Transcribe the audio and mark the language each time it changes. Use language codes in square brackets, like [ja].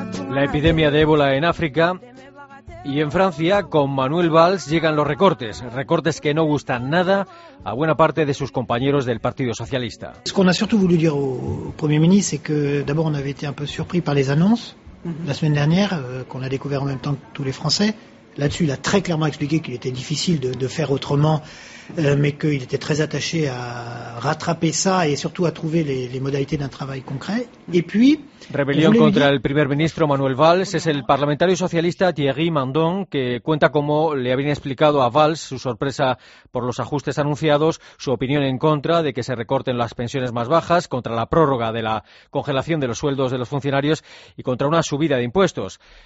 [es] La epidemia de ébola en África Y en Francia, con Manuel Valls, llegan los recortes. Recortes que no gustan nada a buena parte de sus compañeros del Partido Socialista. Lo que hemos querido decir al primer ministro es que, primero, hemos sido un poco sorprendidos por los anuncios. La semana pasada, que hemos descubierto al mismo tiempo que todos los franceses. [fr] Là-dessus, il a très clairement expliqué qu'il était difficile de faire autrement, mais qu'il était très attaché à rattraper ça et surtout à trouver les modalités d'un travail concret. Et puis, rébellion contre le premier ministre Manuel Valls, c'est le parlementaire socialiste Thierry Mandon qui [es] cuenta cómo le habían explicado a Valls su sorpresa por los ajustes anunciados, su opinión en contra de que se recorten las pensiones más bajas, contra la prórroga de la congelación de los sueldos de los funcionarios y contra una subida de impuestos.